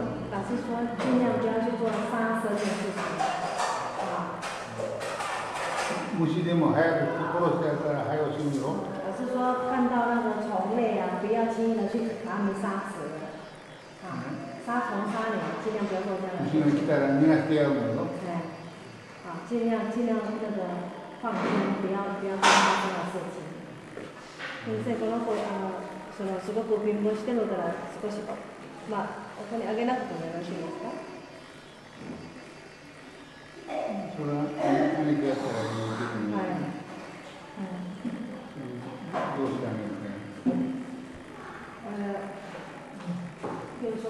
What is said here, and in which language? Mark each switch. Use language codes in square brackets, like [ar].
[zh] 老师说，尽量不要去做杀生的事情。 [ja] 虫でも早く殺してやったら早死ぬよ。 [zh] 老师说，看到那个虫类啊，不要轻易的去把它们杀死。杀虫杀鸟，尽量不要做这样的事情。虫来了，你还这样子咯？好，尽量那个放心，不要做杀生的事情。 [ja] 先生，この子あのそのすごく貧乏してるから少し。まあ、お金あげなくてもよろしいですか？それは、あげてやったらいいですけどね。